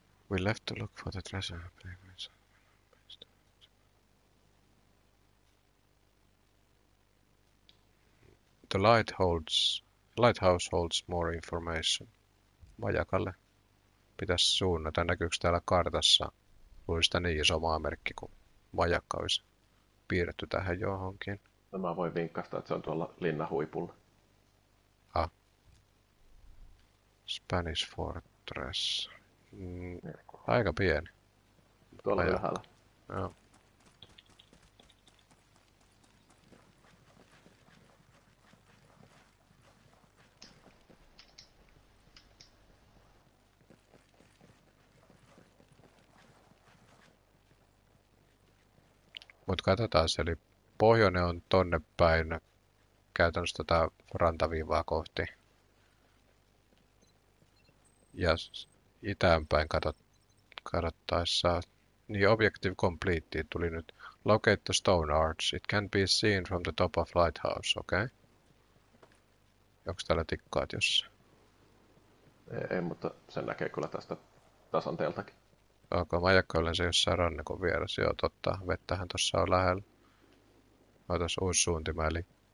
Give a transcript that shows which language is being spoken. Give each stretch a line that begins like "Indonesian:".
English: We left to look for the treasure happening. The light holds, lighthouse holds more information.
Finnish: Majakalle pitäisi suunnata. Näkyykö täällä kartassa? Luulisi sitä niin iso maamerkki, kun majakka olisi piirretty tähän johonkin. No mä voin vinkkaista, että se on tuolla linnan huipulla. Ah. Spanish Fortress. Aika pieni. Tuolla ylhäällä. Joo. Mutta katsotaan, eli pohjoinen on tonne päin käytännössä tätä rantaviivaa kohti. Ja itäänpäin katsottaessa, niin
English: objective complete
Finnish: tuli nyt.
English: Locate the stone arch. It can be seen from the top of lighthouse, okei? Okay?
Finnish: Onko täällä tikkaat jossain? Ei, mutta sen näkee kyllä tästä tasanteeltakin. Okay, majakka yleensä jossain rannikon vieressä. Joo, totta. Vettähän tuossa on lähellä. Otas uusi suuntima, eli...